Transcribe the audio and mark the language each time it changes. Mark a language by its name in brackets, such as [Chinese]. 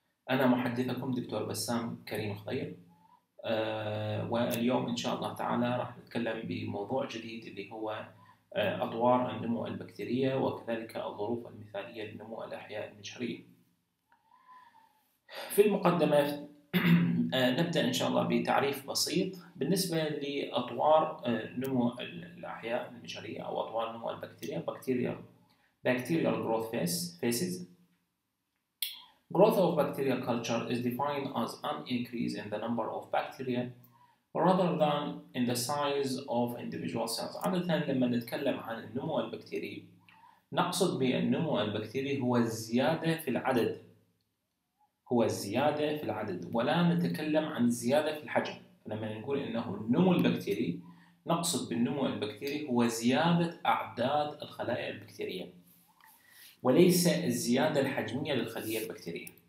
[Arabic] أنا محدثكم دكتور بسام كريم خضير، واليوم إن شاء الله تعالى راح نتكلم بموضوع جديد اللي هو أطوار النمو البكتيرية وكذلك الظروف المثالية لنمو الأحياء المنشرية. في المقدمة نبدأ إن شاء الله بتعريف بسيط بالنسبة لأطوار نمو الأحياء المنشرية أو أطوار نمو البكتيريا. [English] Bacterial growth phases. Growth of bacterial culture is defined as an increase in the number of bacteria rather than in the size of individual cells. [Arabic] عادة لما نتكلم عن النمو البكتيري نقصد بالنمو البكتيري هو الزيادة في العدد، هو الزيادة في العدد، ولا نتكلم عن زيادة في الحجم. لما نقول إنه النمو البكتيري نقصد بالنمو البكتيري هو زيادة أعداد الخلايا البكتيرية وليس الزيادة الحجمية للخلية البكتيرية.